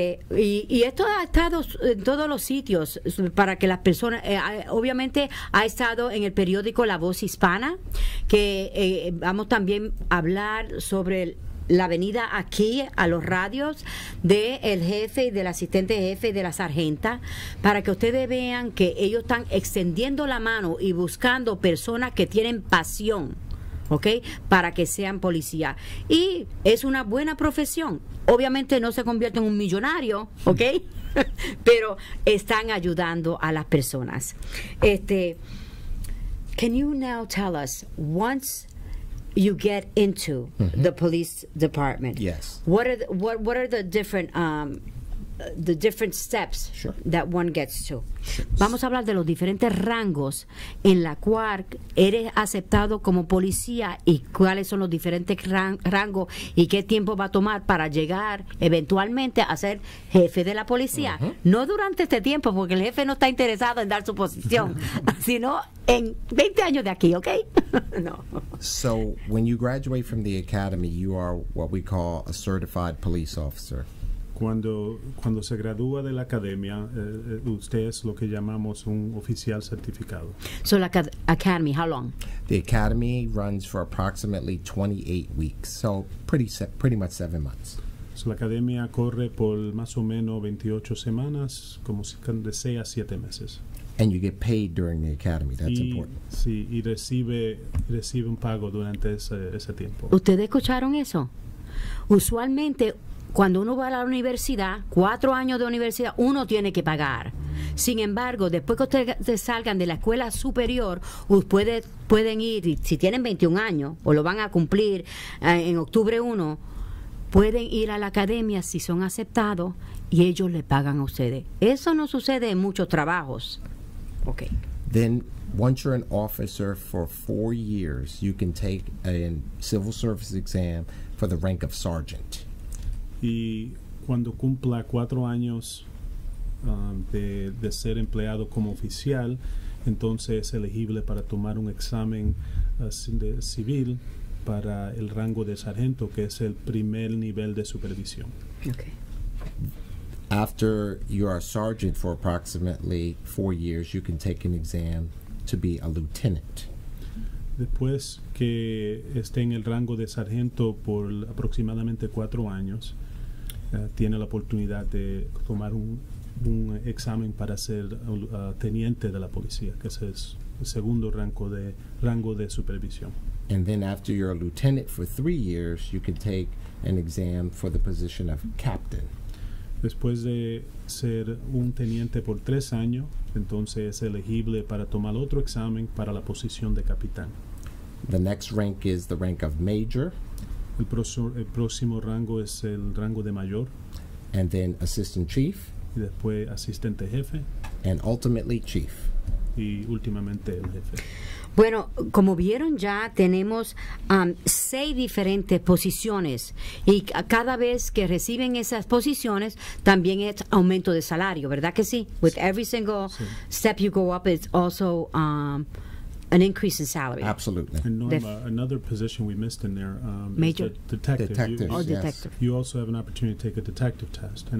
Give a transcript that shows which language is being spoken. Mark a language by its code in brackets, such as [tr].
[es] Y esto ha estado en todos los sitios para que las personas, obviamente ha estado en el periódico La Voz Hispana, que vamos también a hablar sobre la venida aquí a los radios del jefe y del asistente jefe de la sargenta, para que ustedes vean que ellos están extendiendo la mano y buscando personas que tienen pasión. Okay, para que sean policía. Y es una buena profesión. Obviamente no se convierte en un millonario, okay, pero están ayudando a las personas. [en] Can you now tell us, once you get into the police department, yes, what are the different the different steps sure. that one gets to. Sure. [es] Vamos a hablar de los diferentes rangos en la cual eres aceptado como policía y cuáles son los diferentes rangos y qué tiempo va a tomar para llegar eventualmente a ser jefe de la policía. Uh-huh. No durante este tiempo, porque el jefe no está interesado en dar su posición, sino en 20 años de aquí, ¿ok? No. [en] So, when you graduate from the academy, you are what we call a certified police officer. [es] Cuando se gradúa de la academia, usted es lo que llamamos un oficial certificado. [en] So, la academy, how long? The academy runs for approximately 28 weeks, so pretty much 7 months. [es] So, la academia corre por más o menos 28 semanas, como si desea 7 meses. [en] And you get paid during the academy. That's important. [es] Sí, y recibe un pago durante ese tiempo. ¿Ustedes escucharon eso? Usualmente, cuando uno va a la universidad, 4 años de universidad, uno tiene que pagar. Sin embargo, después que ustedes salgan de la escuela superior, pueden ir, si tienen 21 años, o lo van a cumplir en octubre 1, pueden ir a la academia si son aceptados y ellos le pagan a ustedes. Eso no sucede en muchos trabajos. Okay. [en] Then, once you're an officer for 4 years, you can take a civil service exam for the rank of sergeant. [es] Y cuando cumpla 4 años de ser empleado como oficial, entonces es elegible para tomar un examen civil para el rango de sargento, que es el primer nivel de supervisión. [en] Okay. After you are a sergeant for approximately 4 years, you can take an exam to be a lieutenant. [es] Después que esté en el rango de sargento por aproximadamente 4 años, tiene la oportunidad de tomar un examen para ser teniente de la policía, que es el segundo rango de supervisión. [en] And then after you're a lieutenant for 3 years, you can take an exam for the position of captain. [es] Después de ser un teniente por 3 años, entonces es elegible para tomar otro examen para la posición de capitán. [en] The next rank is the rank of major. [es] El próximo rango es el rango de mayor. [en] And then assistant chief. [es] Y después asistente jefe. [en] And ultimately chief. [es] Y últimamente el jefe. Bueno, como vieron ya, tenemos 6 diferentes posiciones y cada vez que reciben esas posiciones, también es aumento de salario, ¿verdad que sí? [en] With every single step you go up, it's also an increase in salary. Absolutely. And Norma, another position we missed in there major is the detective. Detective. You also have an opportunity to take a detective test, and